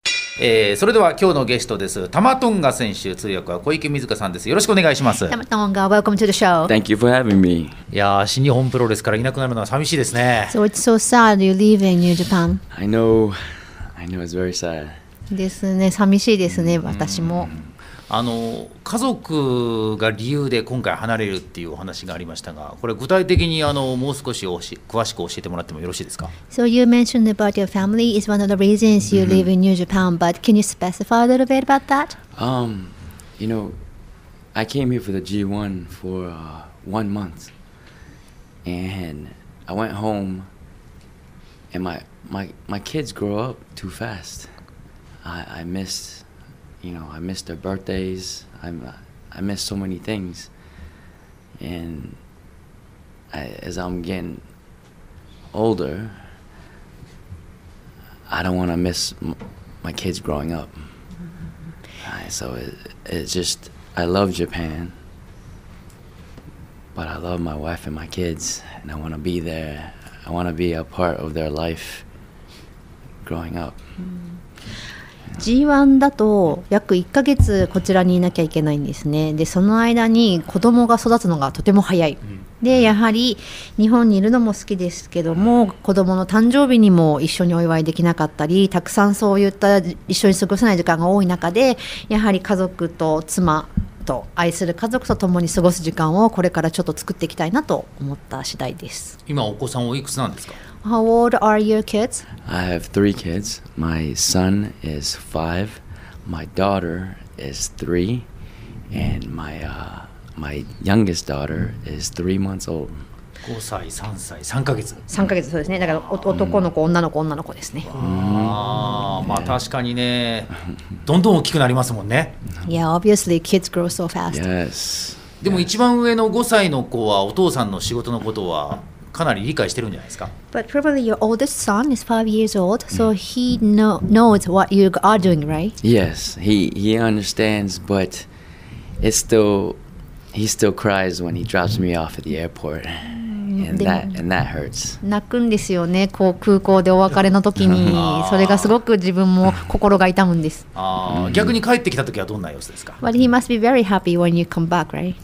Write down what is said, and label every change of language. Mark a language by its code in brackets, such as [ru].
[ja] それでは今日のゲストです、タマトンガ選手、通訳は小池水香さんです。よろしくお願いします。 [en] タマトンガ、 Welcome to the show. Thank you for having me. [ja] いや、新日本プロレスからいなくなるのは寂しいですね。 [en] So it's so sad you're leaving New Japan. I know it's very sad. [ja] ですね、寂しいですね、私も。家族が理由で今回離れるっていうお話がありましたが、これ具体的にもう少 し詳しく教えてもらってもよろしいですか。 [en] So you mentioned about your family is one of the reasons you live in New Japan, but can you specify a little bit about that? You know, I came here for the G1 for 1 month, and I went home, and my kids grow up too fast. I missed their birthdays. I missed so many things. And as I'm getting older, I don't want to miss my kids growing up. So it's just, I love Japan, but I love my wife and my kids, and I want to be there. I want to be a part of their life growing up. [ja] G1 だと約1ヶ月こちらにいなきゃいけないんですね。で、その間に子供が育つのがとても早い。で、やはり日本にいるのも好きですけども、子供の誕生日にも一緒にお祝いできなかったり、たくさんそういった一緒に過ごせない時間が多い中で、やはり家族と妻と愛する家族と共に過ごす時間をこれからちょっと作っていきたいなと思った次第です。今お子さんおいくつなんですか？ [en] How old are your kids? I have 3 kids. My son is 5, my daughter is 3, and my youngest daughter is 3 months old. [ja] 5歳、3歳、3ヶ月。 3ヶ月、そうですね。だから男の子、女の子、女の子ですね。まあ確かにね、どんどん大きくなりますもんね。 [en] Yeah, obviously kids grow so fast. Yes. [ja] でも一番上の5歳の子はお父さんの仕事のことはかなり理解してるんじゃないですか。 [en] But probably your oldest son is 5 years old, so he knows what you are doing, right? Yes, he understands, but he still cries when he drops me off at the airport. And that hurts. [ja] 泣くんですよね、こう空港でお別れの時に。それがすごく自分も心が痛むんです。逆に帰ってきた時はどんな様子ですか。 [en] But he must be very happy when you come back, right?